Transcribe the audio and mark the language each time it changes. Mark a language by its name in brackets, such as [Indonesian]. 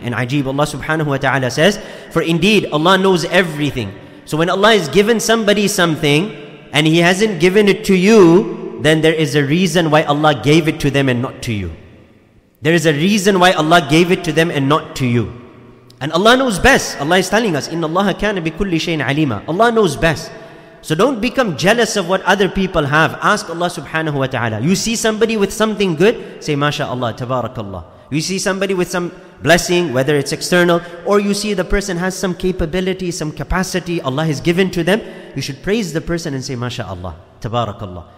[English] And ajeeb, Allah subhanahu wa ta'ala says, for indeed Allah knows everything. So when Allah has given somebody something and He hasn't given it to you, then there is a reason why Allah gave it to them and not to you. There is a reason why Allah gave it to them and not to you. And Allah knows best. Allah is telling us, [Arabic] إِنَّ اللَّهَ كَانَ بِكُلِّ شَيْءٍ عَلِيمًا. [English] Allah knows best. So don't become jealous of what other people have. Ask Allah subhanahu wa ta'ala. You see somebody with something good, say mashaAllah, tabarakAllah. You see somebody with some blessing, whether it's external, or you see the person has some capability, some capacity Allah has given to them, you should praise the person and say mashaAllah, tabarakAllah.